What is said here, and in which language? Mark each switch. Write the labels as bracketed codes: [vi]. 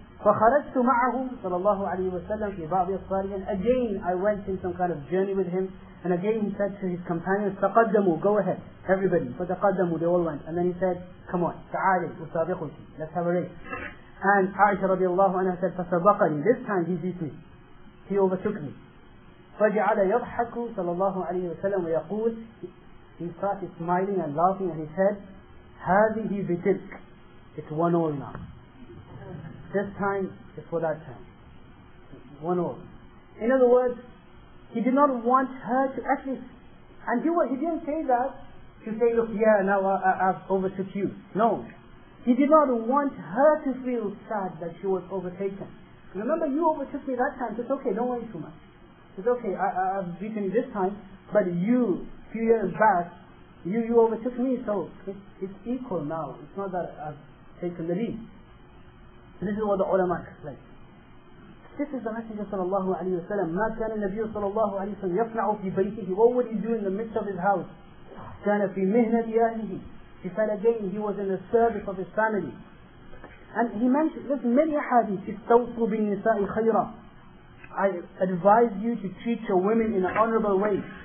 [ar] فَخَرَجْتُ مَعَهُ صلى الله عليه وسلم في بعض الصالحين. [en] Again, I went in some kind of journey with him. And again, he said to his companions, [ar] تَقَدَّمُوا. [en] Go ahead, everybody. [ar] فَتَقَدَّمُوا. [en] They all went. And then he said, come on, [ar] تعالي أسابقك. [en] Let's have a race. And Aisha رضي الله عنها said, [ar] فَسَبَقَنِي. [en] This time he beat me. He overtook me. [ar] فَجَعَلَ يَضْحَكُ صلى الله عليه وسلم ويقول. [en] He started smiling and laughing, and he said, [ar] هَذِهِ بِتِلْكِ. [en] It's one all now. This time is for that time. One all. In other words, he did not want her to at least, and he didn't say that to say, look, yeah, now I've overtook you. No. He did not want her to feel sad that she was overtaken. Remember, you overtook me that time. It's okay, don't worry too much. It's okay, I've beaten you this time, but you, a few years back, you overtook me, so it's equal now. It's not that I've taken the lead. This is what the ulama explains. This is the Messenger صلى الله عليه وسلم. [ar] ما كان النبي صلى الله عليه وسلم يصنع في بيته. [en] What would he do in the midst of his house? [ar] كان في مهنة أهله. في فلجين. [en] He was in the service of his family. And he mentioned, there's many hadith. [ar] استوصوا بالنساء خيرا. [en] I advise you to treat your women in an honorable way.